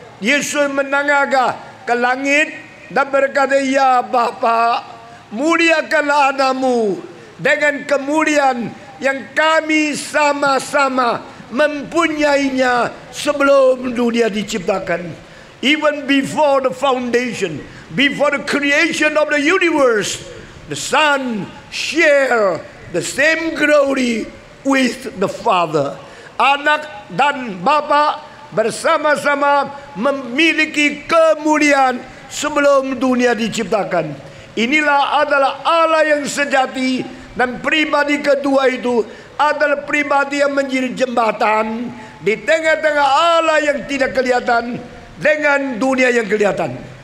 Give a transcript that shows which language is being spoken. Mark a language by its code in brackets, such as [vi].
[id] Yesus menengadah ke langit dan berkata, ya Bapa, muliakanlah anakmu dengan kemuliaan yang kami sama-sama mempunyainya sebelum dunia diciptakan. [en] Even before the foundation, before the creation of the universe, the Son share the same glory with the Father. [id] Anak dan Bapa bersama-sama memiliki kemuliaan sebelum dunia diciptakan. Inilah adalah Allah yang sejati, dan pribadi kedua itu adalah pribadi yang menjadi jembatan di tengah-tengah Allah yang tidak kelihatan dengan dunia yang kelihatan.